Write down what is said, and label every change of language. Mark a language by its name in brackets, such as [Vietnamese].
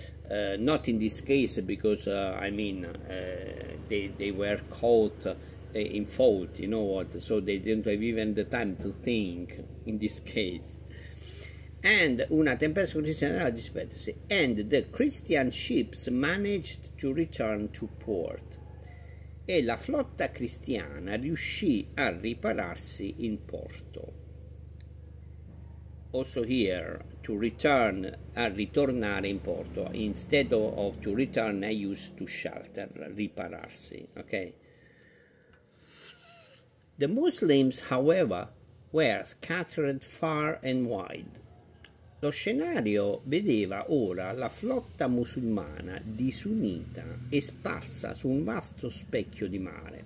[English] Not in this case because I mean they were caught in fault, you know what? So they didn't have even the time to think in this case. And [Italian] una tempesta cristiana dispersi. [English] And the Christian ships managed to return to port. [Italian] E la flotta cristiana riuscì a ripararsi in porto. [English] Also here, to return, [Italian] a ritornare in porto. [English] Instead of to return, I use to shelter, ripararsi. Okay? The Muslims, however, were scattered far and wide. [Italian] Lo scenario vedeva ora la flotta musulmana disunita e sparsa su un vasto specchio di mare.